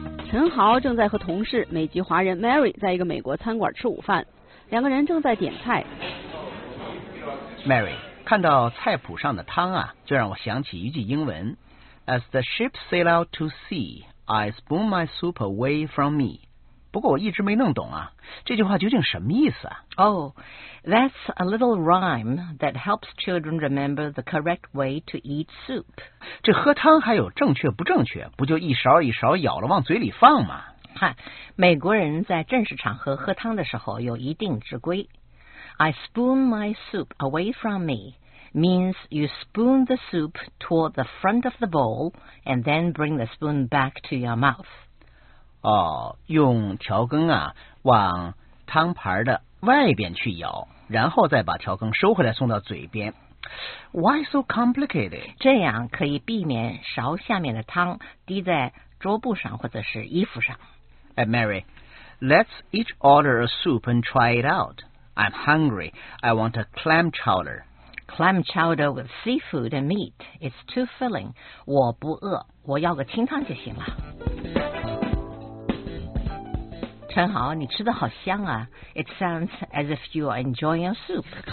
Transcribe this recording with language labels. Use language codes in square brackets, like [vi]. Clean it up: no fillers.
[zh] 陈豪正在和同事美籍华人 Mary 在一个美国餐馆吃午饭，两个人正在点菜。 Mary， 看到菜谱上的汤啊，就让我想起一句英文， [en] As the ship sail out to sea, I spoon my soup away from me。 [zh] 不过我一直没弄懂啊，这句话究竟什么意思啊？ [en] Oh, that's a little rhyme that helps children remember the correct way to eat soup. [zh] 这喝汤还有正确不正确，不就一勺一勺舀了往嘴里放吗？嗨，美国人在正式场合喝汤的时候有一定之规。 [en] I spoon my soup away from me means you spoon the soup toward the front of the bowl and then bring the spoon back to your mouth. [zh] 哦，用调羹啊往汤盘的外边去舀，然后再把调羹收回来送到嘴边。 [en] Why so complicated? [zh] 这样可以避免勺下面的汤滴在桌布上或者是衣服上。 [en] Hey Mary, let's each order a soup and try it out. I'm hungry. I want a clam chowder. Clam chowder with seafood and meat. It's too filling. [zh] 我不饿，我要个清汤就行了。陈豪，你吃的好香啊。 [en] It sounds as if you are enjoying your soup.